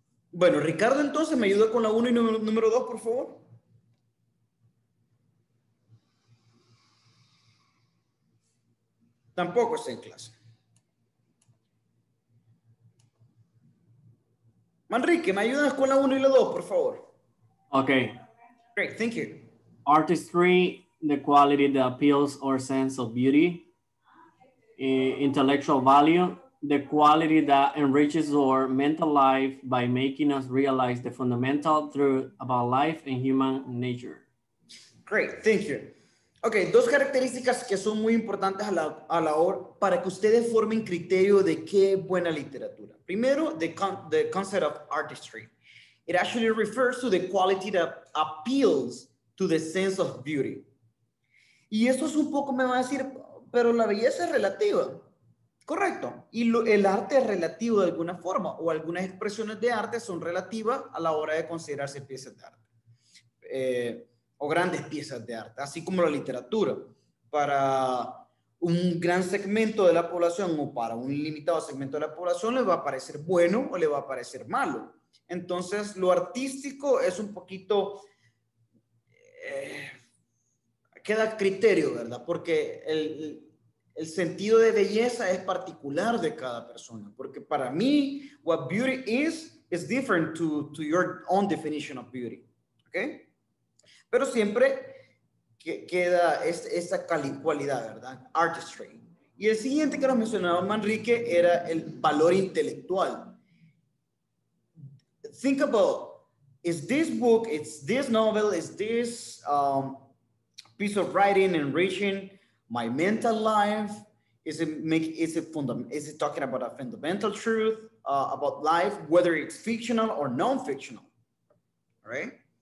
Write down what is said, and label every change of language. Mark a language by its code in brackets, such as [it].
[es] Bueno, Ricardo, entonces, ¿me ayuda con la 1 y número 2, por favor? Tampoco está en clase. Manrique, ¿me ayudas con la 1 y la 2, por favor? [en] Okay. Great, thank you. Artistry, the quality that appeals or sense of beauty. Intellectual value, the quality that enriches our mental life by making us realize the fundamental truth about life and human nature. Great, thank you. [es] Okay, dos características que son muy importantes a la hora para que ustedes formen criterio de qué buena literatura. Primero, [en] the concept of artistry. It actually refers to the quality that appeals to the sense of beauty. [es] Y eso es un poco, me va a decir, pero la belleza es relativa. Correcto. Y el arte es relativo de alguna forma, o algunas expresiones de arte son relativas a la hora de considerarse piezas de arte. O grandes piezas de arte, así como la literatura. Para un gran segmento de la población o para un limitado segmento de la población, le va a parecer bueno o le va a parecer malo. Entonces, lo artístico es un poquito... queda criterio, ¿verdad? Porque el sentido de belleza es particular de cada persona. Porque para mí, [en] what beauty is different to your own definition of beauty. [es] ¿Okay? Pero siempre queda esta cualidad, ¿verdad? Artistry. Y el siguiente que nos mencionaba Manrique era el valor intelectual. [en] Think about, is this book, is this novel, is this... piece of writing enriching my mental life? Is it talking about a fundamental truth about life, whether it's fictional or non-fictional? All right.